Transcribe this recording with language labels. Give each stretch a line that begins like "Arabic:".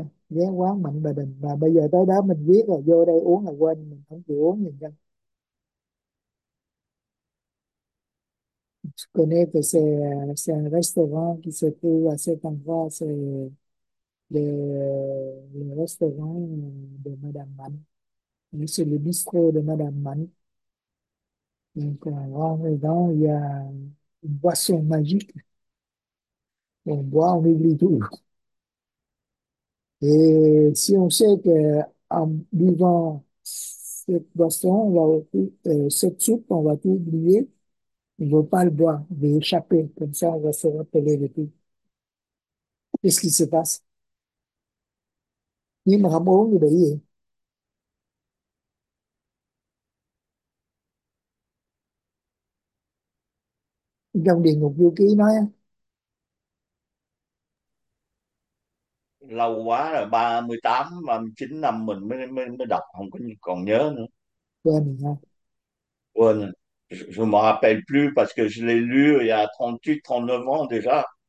Vietnamese: Ghé quán Mạnh Bà Đình, và bây giờ tới đó mình viết là vô đây uống là quên, mình không chịu uống gì cả.
French: Tu connais que c'est un restaurant qui se trouve à cet endroit, c'est le restaurant de Madame Mạnh, c'est le bistrot de Madame Mạnh. Donc en rentrant dedans, il y a une boisson magique, on boit, on oublie tout. Et si on sait qu'en buvant cette boisson, cette soupe, on va tout oublier, on ne veut pas le boire, on veut échapper, comme ça on va se rappeler de tout. Qu'est-ce qui se passe?
Vietnamese: Nhưng mà không uống thì bị gì? Trong Địa Ngục Du Ký nói á. lâu quá rồi, 38 39 năm mình mới mới mới đọc, không có còn nhớ nữa, Quên rồi quên rồi.
French: Je me rappelle plus parce que je l'ai lu il y a 38 39 ans déjà.